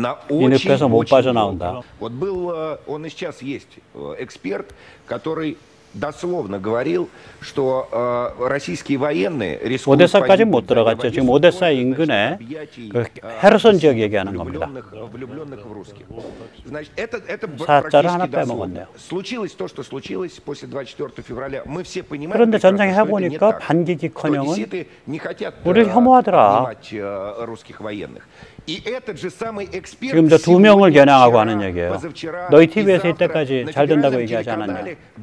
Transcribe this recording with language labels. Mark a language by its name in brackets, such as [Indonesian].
[Korean] 이 늪에서 못 빠져나온다. [Russian] дословно говорил, что российские военные рискуют... [Korean] Одесса까지 못 들어갔죠. 지금 Одесса 인근에 Херсон 지역 얘기하는 겁니다. [Russian] Влюбленных в русских. Значит, это практически дословно. Случилось то, что случилось после 24 февраля. Мы все понимаем... [Korean] 그런데 전쟁 해보니까 반기기커녕은 우리를 혐오하더라. [Russian] Русских военных. И этот же самый эксперт... [Korean] 지금 저 두 명을 겨냥하고 하는 얘기예요. 너희 TV에서 이때까지 잘 된다고 얘기하지 않았냐.